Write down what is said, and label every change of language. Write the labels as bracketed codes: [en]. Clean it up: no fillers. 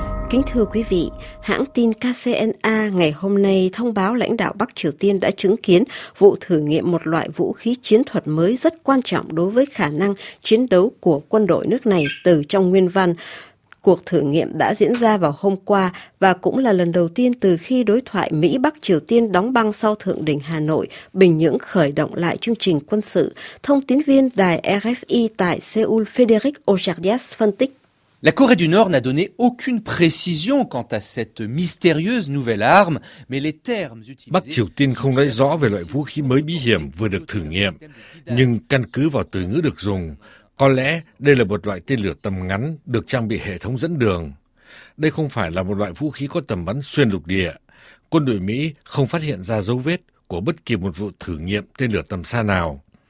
[vi] Kính thưa quý vị, hãng tin KCNA ngày hôm nay thông báo lãnh đạo Bắc Triều Tiên đã chứng kiến vụ thử nghiệm một loại vũ khí chiến thuật mới rất quan trọng đối với khả năng chiến đấu của quân đội nước này từ trong nguyên văn. Cuộc thử nghiệm đã diễn ra vào hôm qua và cũng là lần đầu tiên từ khi đối thoại Mỹ-Bắc Triều Tiên đóng băng sau Thượng đỉnh Hà Nội, Bình Nhưỡng khởi động lại chương trình quân sự. Thông tín viên đài RFI tại Seoul Frédéric Ojardias phân tích. [fr] La Corée du Nord n'a donné aucune précision quant à cette mystérieuse nouvelle arme, mais les termes utilisés. [vi] Bắc Triều Tiên không nói rõ về loại vũ khí mới bí hiểm vừa được thử nghiệm, nhưng căn cứ vào từ ngữ được dùng, có lẽ đây là một loại tên lửa tầm ngắn được trang bị hệ thống dẫn đường. Đây không phải là một loại vũ khí có tầm bắn xuyên lục địa. Quân đội Mỹ không phát hiện ra dấu vết của bất kỳ một vụ thử nghiệm tên lửa tầm xa nào.